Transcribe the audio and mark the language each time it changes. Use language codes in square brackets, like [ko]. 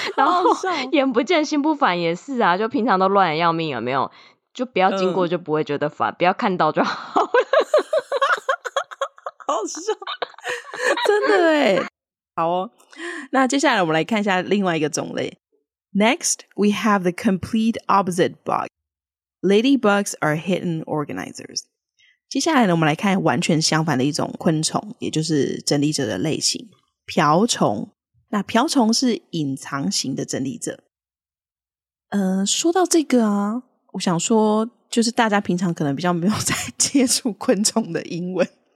[zh] 然后眼不见心不烦也是啊，就平常都乱要命，有没有？就不要经过就不会觉得烦，不要看到就好了。好笑，真的耶。好哦，那接下来我们来看一下另外一个种类。 [en] Next, we have the complete opposite bug. Ladybugs are hidden organizers. [zh] 接下来呢，我们来看完全相反的一种昆虫，也就是整理者的类型，瓢虫。那瓢虫是隐藏型的整理者。说到这个啊，我想说，就是大家平常可能比较没有在接触昆虫的英文，